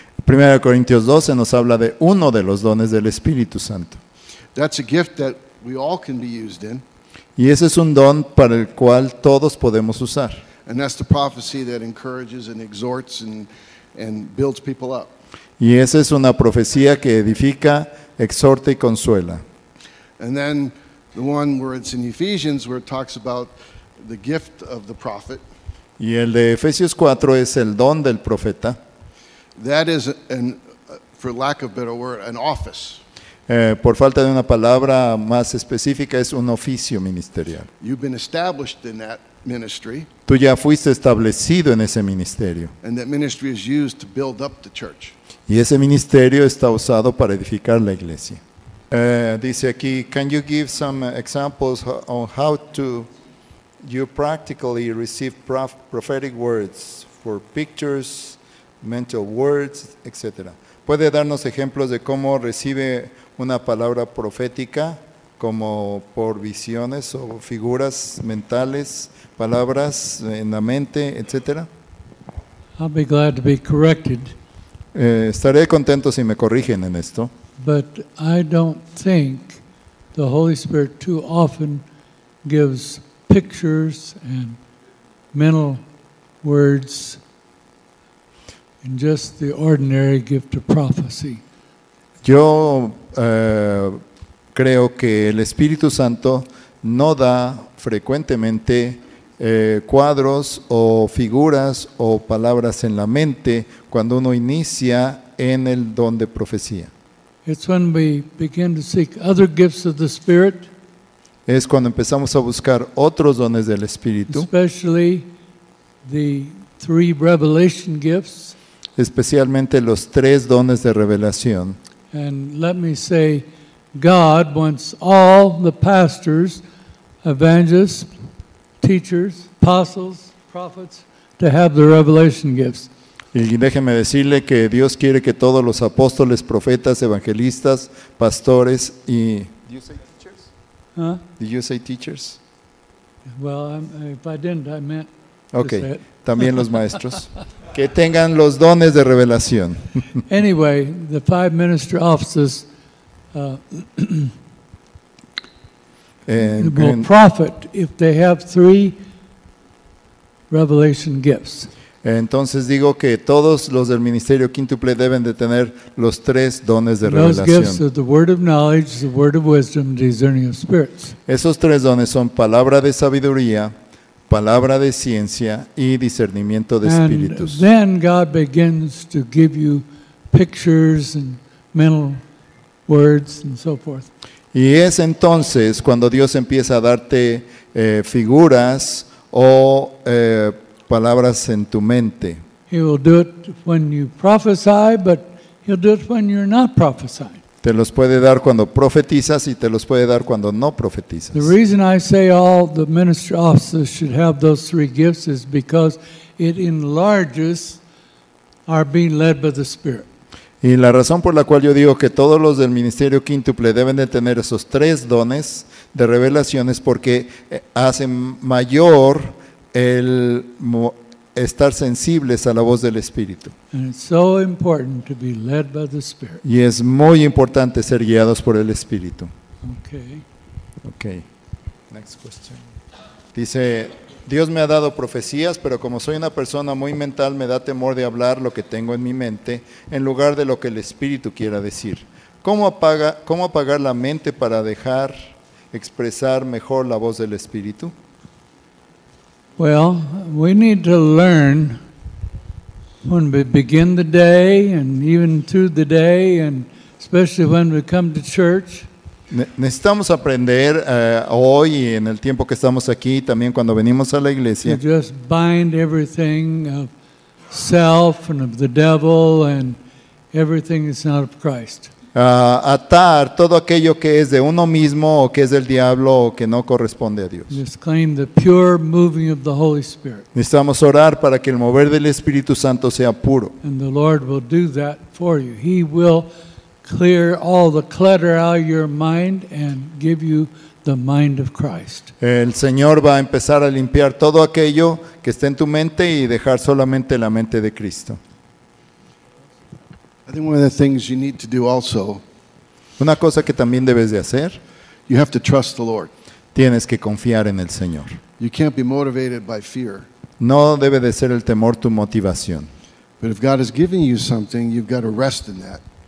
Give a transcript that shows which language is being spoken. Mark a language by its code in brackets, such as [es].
[es] 1 Corintios 12 nos habla de uno de los dones del Espíritu Santo. [en] That's a gift that we all can be used in. [es] Y ese es un don para el cual todos podemos usar. [en] And that's the prophecy that encourages and exhorts and builds people up. [es] Y esa es una profecía que edifica, exhorta y consuela. [en] And then the one where it's in Ephesians where it talks about the gift of the prophet. [es] Y el de Efesios 4 es el don del profeta. [en] That is an, for lack of a better word, an office. [es] Por falta de una palabra más específica, es un oficio ministerial. [en] You've been established in that ministry. [es] Tú ya fuiste establecido en ese ministerio. [en] And that ministry is used to build up the church. [es] Y ese ministerio está usado para edificar la iglesia. Dice aquí, [en] can you give some examples on how to you practically receive prophetic words for pictures, mental words, etc.? [es] ¿Puede darnos ejemplos de cómo recibe una palabra profética como por visiones o figuras mentales, palabras en la mente, etc.? [en] I'll be glad to be corrected. [es] Estaré contento si me corrigen en esto. [en] But I don't think the Holy Spirit too often gives pictures and mental words in just the ordinary gift of prophecy. [es] Yo creo que el Espíritu Santo no da frecuentemente cuadros o figuras o palabras en la mente cuando uno inicia en el don de profecía. [en] It's when we begin to seek other gifts of the Spirit. [es] Es cuando empezamos a buscar otros dones del Espíritu. [en] Especially the three revelation gifts. [es] Especialmente los tres dones de revelación. [en] And let me say, God wants all the pastors, evangelists, teachers, apostles, prophets to have the revelation gifts. [es] Y déjeme decirle que Dios quiere que todos los apóstoles, profetas, evangelistas, pastores y [en] Did you say teachers? Huh? Did you say teachers? Well, if I didn't, I meant Okay. [es] También los maestros que tengan los dones de revelación. [en] Anyway, the five ministry offices will profit if they have three revelation gifts. [es] Entonces digo que todos los del ministerio quíntuple deben de tener los tres dones de revelación. [en] Those gifts are the word of knowledge, the word of wisdom, discerning of spirits. [es] Esos tres dones son palabra de sabiduría, palabra de ciencia y discernimiento de espíritus. [en] And then God begins to give you pictures and mental words and so forth. [es] Y es entonces cuando Dios empieza a darte figuras o palabras en tu mente. [en] He will do it when you prophesy, but he'll do it when you're not prophesying. [es] Te los puede dar cuando profetizas y te los puede dar cuando no profetizas. [en] The reason I say all the ministry offices should have those three gifts is because it enlarges our being led by the Spirit. [es] Y la razón por la cual yo digo que todos los del ministerio quíntuple deben de tener esos tres dones de revelación es porque hacen mayor el estar sensibles a la voz del Espíritu. [en] And it's so important to be led by the Spirit. [es] Y es muy importante ser guiados por el Espíritu. [en] Okay. Okay. Next question. [es] Dice, Dios me ha dado profecías, pero como soy una persona muy mental, me da temor de hablar lo que tengo en mi mente en lugar de lo que el Espíritu quiera decir. ¿Cómo apagar la mente para dejar expresar mejor la voz del Espíritu? [en] Well, we need to learn when we begin the day and even through the day, and especially when we come to church. [es] Necesitamos aprender hoy y en el tiempo que estamos aquí, también cuando venimos a la iglesia. [en] To just bind everything of self and of the devil and everything that's not of Christ. [es] Atar todo aquello que es de uno mismo o que es del diablo o que no corresponde a Dios. [en] Just claim the pure moving of the Holy Spirit. [es] Necesitamos orar para que el mover del Espíritu Santo sea puro. [en] And the Lord will do that for you. He will clear all the clutter out of your mind and give you the mind of Christ. [es] El Señor va a empezar a limpiar todo aquello que está en tu mente y dejar solamente la mente de Cristo. [en] I think one of the things you need to do also, [es] una cosa que también debes de hacer, [en] you have to trust the Lord. [es] Tienes que confiar en el Señor. [en] You can't be motivated by fear. [es] No debe de ser el temor tu motivación. [en] But if God has given you something, you've got to rest in that.